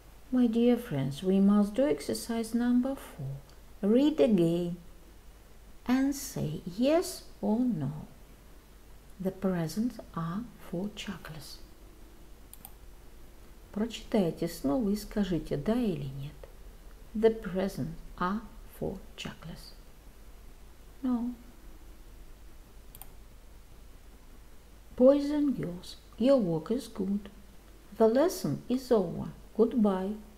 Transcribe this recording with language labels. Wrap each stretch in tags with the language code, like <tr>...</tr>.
<en>My dear friends, we must do exercise number 4. Read again and say yes or no. The presents are for Chuckles.</en> <ru>Прочитайте снова и скажите, да или нет.</ru> <en>The presents are for Chuckles. No. Boys and girls, your work is good. The lesson is over. Goodbye.</en>